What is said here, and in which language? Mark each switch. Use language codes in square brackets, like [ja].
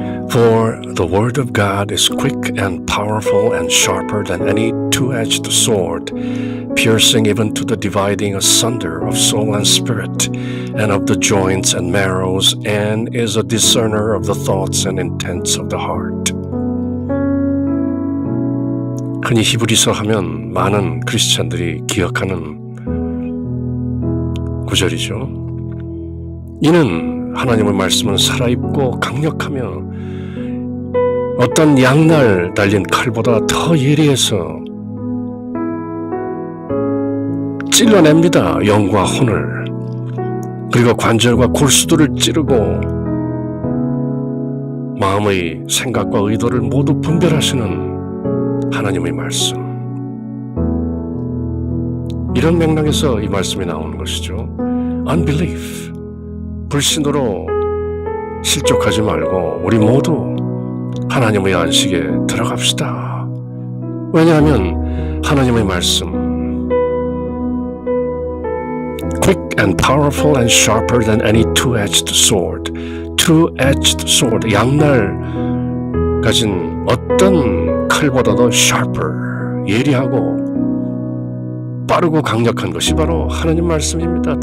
[en] For the word of God is quick and powerful and sharper than any two-edged sword, piercing even to the dividing asunder of soul and spirit, and of the joints and marrows, and is a discerner of the thoughts and intents of the heart. [ko] 흔히 히브리서 하면 많은 크리스찬들이 기억하는 구절이죠. 이는 하나님의 말씀은 살아있고 강력하며 어떤 양날 달린 칼보다 더 예리해서 찔러냅니다. 영과 혼을. 그리고 관절과 골수들을 찌르고 마음의 생각과 의도를 모두 분별하시는 하나님의 말씀. 이런 맥락에서 이 말씀이 나오는 것이죠. [en] Unbelief. [ko] 불신으로 실족하지 말고 우리 모두 하나님의 안식에 들어갑시다. 왜냐하면 하나님의 말씀 [en] Quick and powerful and sharper than any two-edged sword. Two-edged sword. [ko] 양날 가진 어떤 칼보다도 sharper, 예리하고 빠르고 강력한 것이 바로 하나님 말씀입니다.